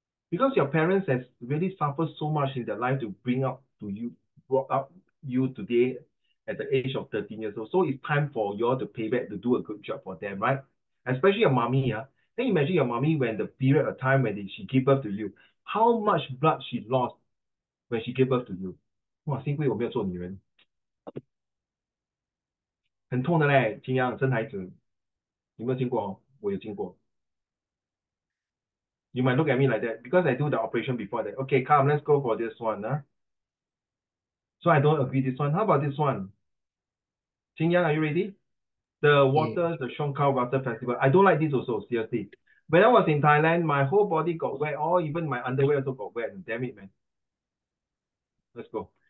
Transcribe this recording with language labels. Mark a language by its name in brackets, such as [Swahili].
[English] Because your parents has really suffered so much in their life to bring up to you, brought up you today at the age of 13 years old. So it's time for you all to pay back, to do a good job for them, right? Especially your mommy. Then imagine your mommy when the period of time when she gave birth to you, how much blood she lost when she gave birth to you. [Chinese] Wow, 幸亏我没有做女人。很痛的嘞，亲娘生孩子，有没有经过？我有经过。 [English] You might look at me like that because I do the operation before that. Okay, come, let's go for this one. So I don't agree this one. How about this one? Qing Yang, are you ready? The Yeah. water, the Shong Kau Water Festival. I don't like this also, seriously. When I was in Thailand, my whole body got wet, or even my underwear also got wet. Damn it, man. Let's go.